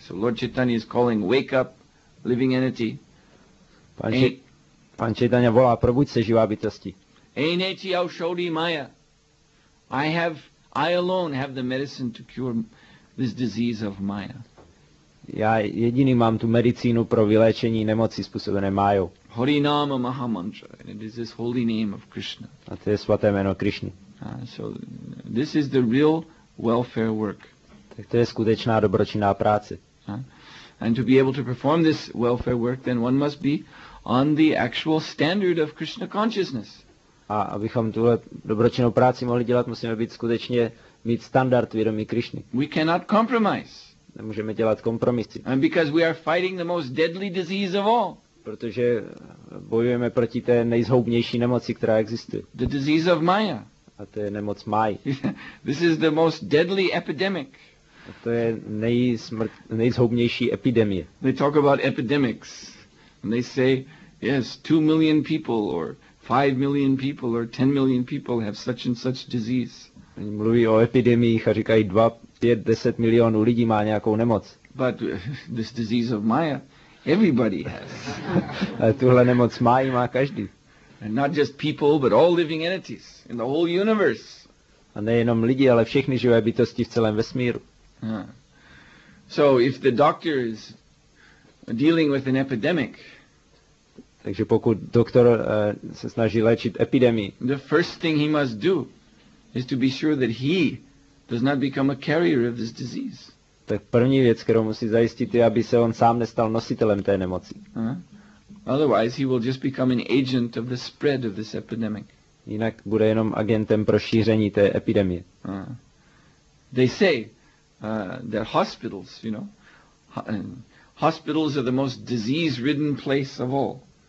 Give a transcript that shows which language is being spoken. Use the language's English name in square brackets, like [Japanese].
[English] So Lord Chaitanya is calling, wake up, living entity. [Czech] Pan Chaitanya volá, probuď se, živá bytosti. Eneti aushadi maya. [English] I alone have the medicine to cure this disease of Maya. [Czech] Já jediný mám tu medicínu pro vyléčení nemocí způsobené Mayou. [English] Hari Nama Maha Mantra, and it is this holy name of Krishna. [Czech] A to je svaté jméno Krišny. [English] So this is the real welfare work. [Czech] Tak to je skutečná dobročinná práce. [English] And to be able to perform this welfare work, then one must be on the actual standard of Krishna consciousness. [Czech] A abychom tuhle dobročinnou práci mohli dělat, musíme být skutečně mít standard vědomí Krišny. [English] We cannot compromise. [Czech] Nemůžeme dělat kompromisy. [English] And because we are fighting the most deadly disease of all. [Czech] Protože bojujeme proti té nejzhoubnější nemoci, která existuje. [English] The disease of Maya. [Czech] A to je nemoc Maj. [English] This is the most deadly epidemic. [Czech] A to je nejzhoubnější epidemie. [English] They talk about epidemics. And they say, yes, 2 million people or 5 million people or 10 million people have such and such disease. [Czech] Oni mluví o epidemiích a říkají 2, 5, 10 milionů lidí má nějakou nemoc. [English] But this disease of Maya, everybody has. [Czech] A tuhle nemoc Mayi má každý. [English] And not just people, but all living entities in the whole universe. [Czech] A nejenom lidi, ale všechny živé bytosti v celém vesmíru. [English] So if the doctor is dealing with an epidemic, [Czech] takže pokud doktor se snaží léčit epidemii, [English] the first thing he must do is to be sure that he does not become a carrier of this disease. [Czech] Tak první věc, kterou musí zajistit, je, aby se on sám nestal nositelem té nemoci. [English] Otherwise he will just become an agent of the spread of this epidemic. [Czech] Jinak bude jenom agentem pro šíření té epidemie. [English] They say that hospitals, you know, hospitals are the most disease-ridden place of all.